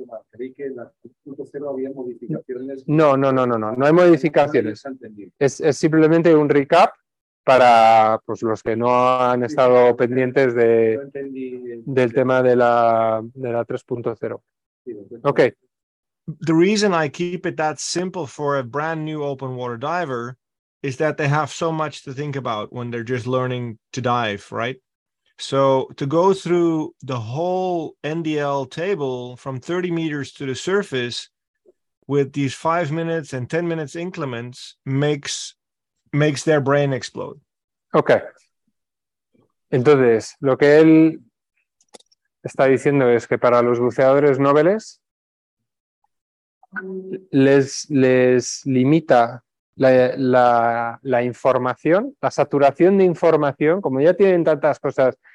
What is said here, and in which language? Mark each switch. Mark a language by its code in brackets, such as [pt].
[es] creí que en la 3.0 había modificaciones. No hay modificaciones. Es simplemente un recap para pues los que no han estado pendientes del tema de la 3.0. Okay. [en] The reason I keep it that simple for a brand new open water diver is that they have so much to think about when they're just learning to dive, right? So to go through the whole NDL table from 30 meters to the surface with these 5 minutes and 10 minutes increments makes their brain explode. Okay. [es] Entonces, lo que él está diciendo es que para los buceadores noveles les limita la información, la saturación de información, como ya tienen tantas cosas